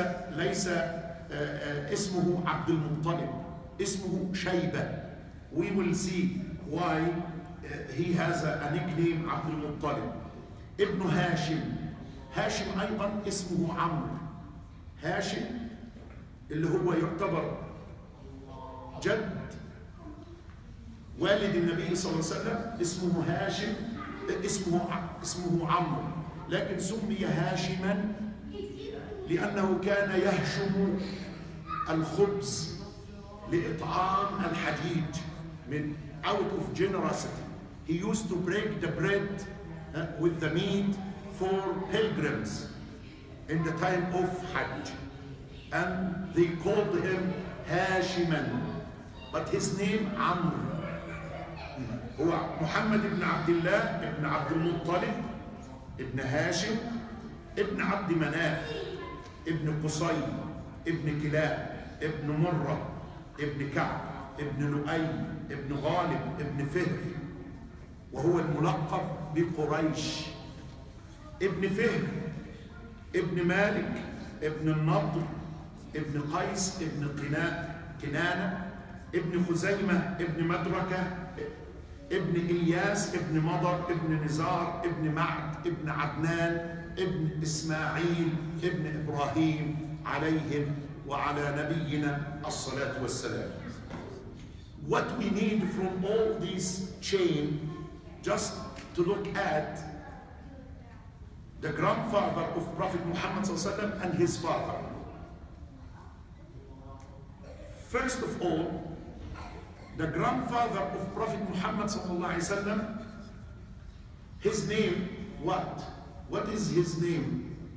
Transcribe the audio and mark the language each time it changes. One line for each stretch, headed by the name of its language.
Arabic: ليس اسمه عبد المطلب, اسمه شيبة.
English: We will see why he has a nickname عبد المطلب.
Arabic: ابن هاشم, هاشم أيضا اسمه عمرو. هاشم اللي هو يعتبر جد والد النبي صلى الله عليه وسلم اسمه هاشم, اسمه عمرو, لكن سمي هاشما لأنه كان يهشم الخبز لإطعام الحديد من
English: out of generosity. He used to break the bread with the meat for pilgrims in the time of Hajj, and they called him Hashiman, but his name Amr.
Arabic: هو محمد بن عبد الله بن عبد المطلب ابن هاشم ابن عبد مناف ابن قصي ابن كلاب ابن مرة ابن كعب ابن لؤي ابن غالب ابن فهر, وهو الملقب بقريش. ابن فهر ابن مالك ابن النضر ابن قيس ابن كنانة ابن خزيمة ابن مدركة ابن إلياس ابن مضر ابن نزار ابن معد ابن عدنان ابن إسماعيل ابن إبراهيم عليهم وعلى نبينا الصلاة والسلام.
English: What we need from all this chain, just to look at the grandfather of Prophet Muhammad sallallahu alaihi wasallam and his father. First of all, the grandfather of Prophet Muhammad sallallahu alaihi wasallam, his name, what is his name?